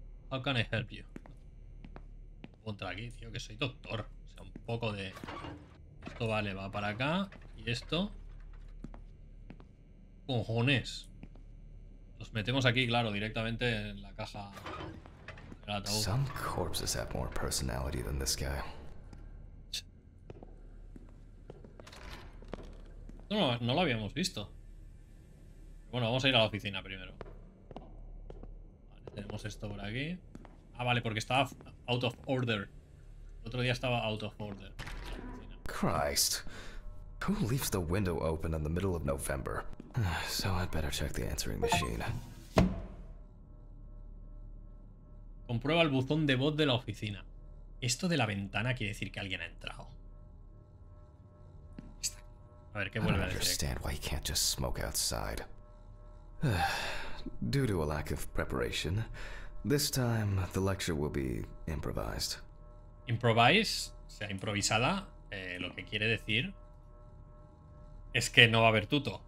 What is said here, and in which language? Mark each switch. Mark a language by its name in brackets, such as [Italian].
[English] How can I help you? [Spanish] Contra aquí, tío, que soy doctor. O sea, un poco de... Esto vale, va para acá. Y esto... Cojones. Los metemos aquí, claro, directamente en la caja. [English] Some corpses have more personality than this guy. [Spanish] Esto no lo habíamos visto. Bueno, vamos a ir a la oficina primero. Vale, tenemos esto por aquí. Ah, vale, porque estaba out of order. El otro día estaba out of order. [English] Christ. Who leaves the window open in the middle of November? So I'd better check the answering machine. [Spanish] Comprueba el buzón de voz de la oficina. Esto de la ventana quiere decir que alguien ha entrado. A ver, ¿qué vuelve a decir? [English] I don't understand why you can't just smoke outside. Due to a lack of preparation, this time the lecture will be improvised. [Spanish] Improvise, o sea, improvisada, lo que quiere decir es que no va a haber tuto.